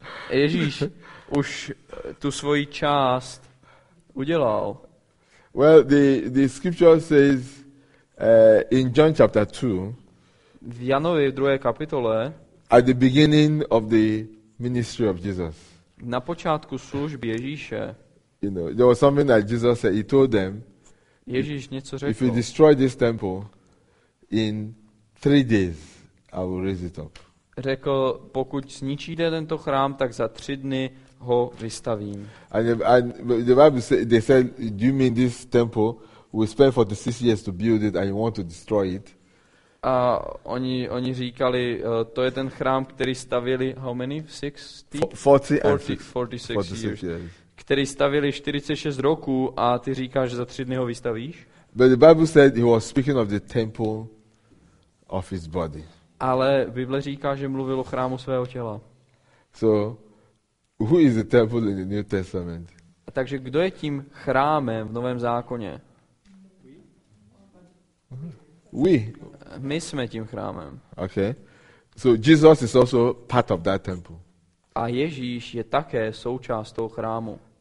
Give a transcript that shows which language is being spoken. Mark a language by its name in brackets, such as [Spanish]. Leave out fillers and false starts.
[Czech] Ježíš už tu svoji část udělal. [English] Well, the scripture says in John chapter 2. [Czech] V Janově druhé kapitole. [English] At the beginning of the ministry of Jesus. [Czech] Na počátku služby Ježíše. [English] You know, there was something that Jesus said. He told them. [Czech] Ježíš něco řekl. [English] If you destroy this temple in 3 days. I will raise it up. [Czech] Řekl, pokud zničíte tento chrám, tak za 3 dny ho vystavím. [English] And the Bible said, they said, do you mean this temple? We spent 46 years to build it and you want to destroy it? [Czech] A oni říkali, to je ten chrám, který stavili, [English] how many? 60? 46 years. [Czech] Který stavili 46 roku a ty říkáš, že za 3 dny ho vystavíš? [English] But the Bible said he was speaking of the temple of his body. [Czech] Ale Bible říká, že mluvil o chrámu svého těla. [English] So, who is the temple in the New Testament? [Czech] Takže kdo je tím chrámem v novém zákoně? [English] We. [Czech] My jsme tím chrámem. [English] Okay. So Jesus is also part of that temple. [Czech] A Ježíš je také součást toho chrámu.